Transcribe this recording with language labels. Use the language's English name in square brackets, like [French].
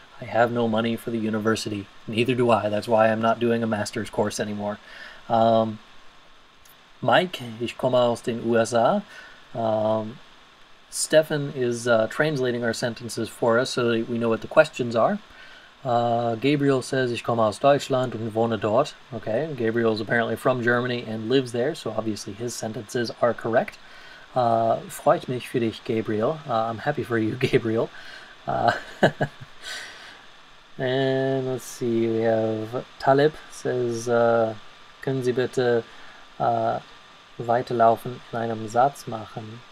[English] I have no money for the university. Neither do I. That's why I'm not doing a master's course anymore. Mike, [German] ich komme aus den USA. [English] Stefan is translating our sentences for us so that we know what the questions are. Gabriel says, [German] ich komme aus Deutschland und wohne dort. [English] Okay, Gabriel is apparently from Germany and lives there, so obviously his sentences are correct. [German] Freut mich für dich, Gabriel. [English] I'm happy for you, Gabriel. and let's see, we have Talib says, [German] können Sie bitte weiterlaufen in einem Satz machen?